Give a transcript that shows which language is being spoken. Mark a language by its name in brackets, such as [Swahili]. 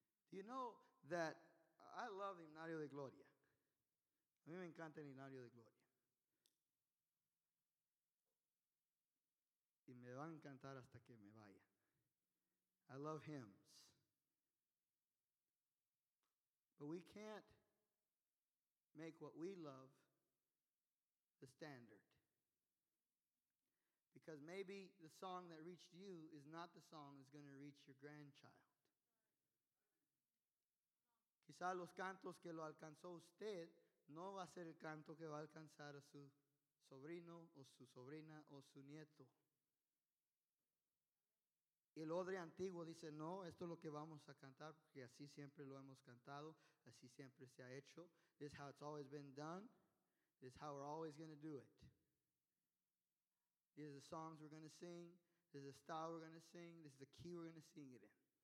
[English] You know that I love Himnario de Gloria. [Spanish] A mí me encanta el Himnario de Gloria. Y me va a encantar hasta que me vaya. [English] I love hymns. But we can't make what we love the standard. Because maybe the song that reached you is not the song that's going to reach your grandchild. [Spanish] Quizá los cantos que lo alcanzó usted no va a ser el canto que va a alcanzar a su sobrino o su sobrina o su nieto. Y el odre antiguo dice, no, esto es lo que vamos a cantar porque así siempre lo hemos cantado, así siempre se ha hecho. [English] This is how it's always been done. This is how we're always going to do it. These are the songs we're going to sing. This is the style we're going to sing. This is the key we're going to sing it in.